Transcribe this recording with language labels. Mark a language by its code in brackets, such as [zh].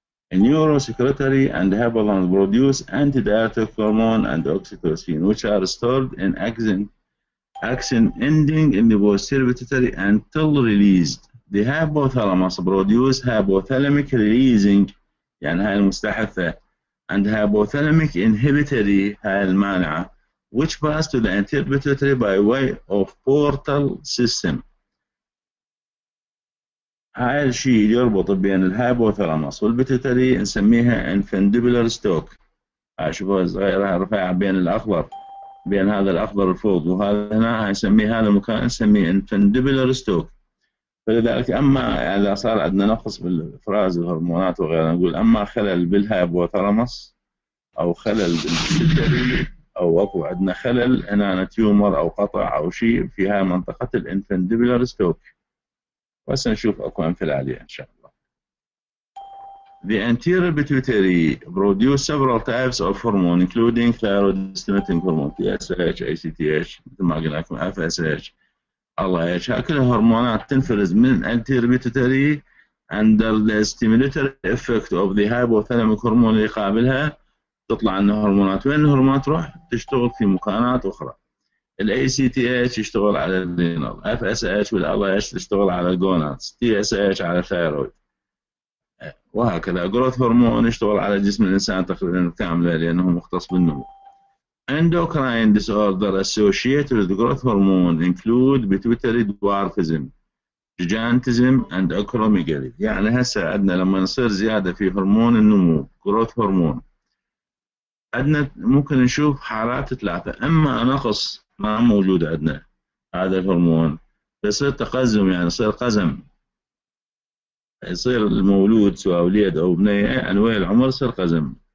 [en] A neurosecretory and the hypothalamus produce antidiuretic hormone and oxytocin, which are stored in axon ending in the posterior pituitary until released. The hypothalamus produce hypothalamic releasing, يعني هاي المستحثة, and hypothalamic inhibitory, هاي المانعة, which pass to the anterior pituitary by way of portal system. [ar] هاي الشيء يربط بين الهايبوثالاموس والبيتوتري نسميها infundibular stalk. اشوفها صغيرة رفيعة بين الأخضر بين هذا الأخضر الفوق وهذا هنا نسميه هذا المكان نسميه infundibular stalk. فلذلك أما إذا صار عندنا نقص بالإفراز الهرمونات وغيرها نقول أما خلل بالهايبوثالاموس أو خلل بالبيتوتري أو أكو عندنا خلل هنا تيومر أو قطع أو شيء في هاي منطقة الانفنديبولار ستوك. بس نشوف أكو أمثلة عليها إن شاء الله. [en] The anterior pituitary produce several types of hormone including thyroid stimulating hormone TSH, ACTH, مثل ما قلنا لكم FSH, LH. هكذا هرمونات تنفرز من anterior pituitary under the stimulatory effect of the hypothalamic hormone اللي قابلها تطلع عندنا هرمونات. [ar] وين الهرمونات تروح؟ تشتغل في مكانات أخرى. الـ ACTH يشتغل على الرينال، FSH والـ LH تشتغل على الجونادز، TSH على الثايرويد. وهكذا جروث هرمون يشتغل على جسم الإنسان تقريباً كاملة لأنه مختص بالنمو. [en] Endocrine disorder associated with growth hormone include pituitary dwarfism, gigantism and acromegaly. [ar] يعني هسه عندنا لما نصير زيادة في هرمون النمو، growth hormone. عندنا ممكن نشوف حالات ثلاثة، أما نقص ما موجود عندنا هذا الهرمون يصير تقزم يعني يصير قزم يصير المولود سواء وليد أو بنية أنوي العمر يصير قزم.